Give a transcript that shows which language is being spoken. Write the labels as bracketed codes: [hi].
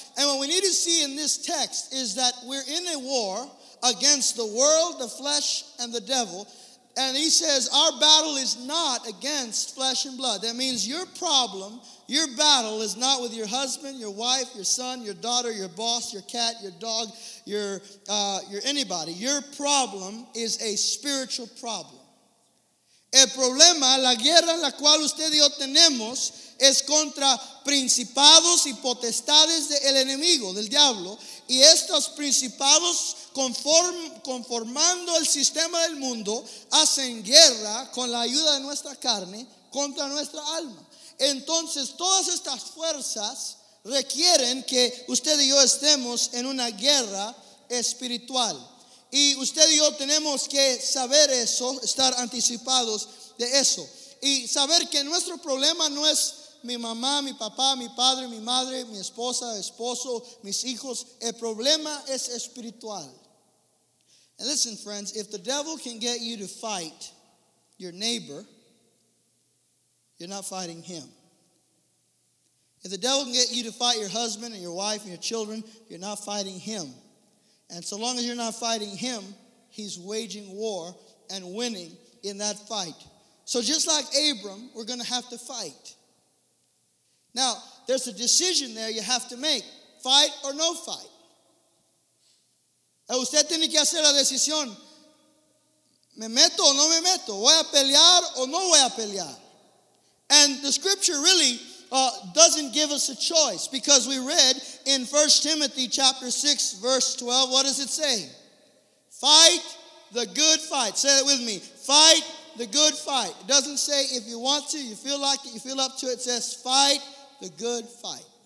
[en] And what we need to see in this text is that we're in a war against the world, the flesh, and the devil. And he says our battle is not against flesh and blood. That means your problem, your battle is not with your husband, your wife, your son, your daughter, your boss, your cat, your dog, your anybody. Your problem is a spiritual problem. [es] El problema, la guerra en la cual usted y yo tenemos, es contra principados y potestades del enemigo, del diablo, y estos principados conformando el sistema del mundo hacen guerra con la ayuda de nuestra carne contra nuestra alma. Entonces, todas estas fuerzas requieren que usted y yo estemos en una guerra espiritual. Y usted y yo tenemos que saber eso, estar anticipados de eso. Y saber que nuestro problema no es mi mamá, mi papá, mi padre, mi madre, mi esposa, esposo, mis hijos. El problema es espiritual. [en] And listen, friends, if the devil can get you to fight your neighbor, you're not fighting him. If the devil can get you to fight your husband and your wife and your children, you're not fighting him. And so long as you're not fighting him, he's waging war and winning in that fight. So just like Abram, we're going to have to fight. Now, there's a decision there you have to make. Fight or no fight. [es] Usted tiene que hacer la decisión. ¿Me meto o no me meto? ¿Voy a pelear o no voy a pelear? [en] And the scripture really doesn't give us a choice, because we read in 1 Timothy chapter 6, verse 12, what does it say? Fight the good fight. Say it with me. Fight the good fight. It doesn't say if you want to, you feel like it, you feel up to it. It says fight the good fight.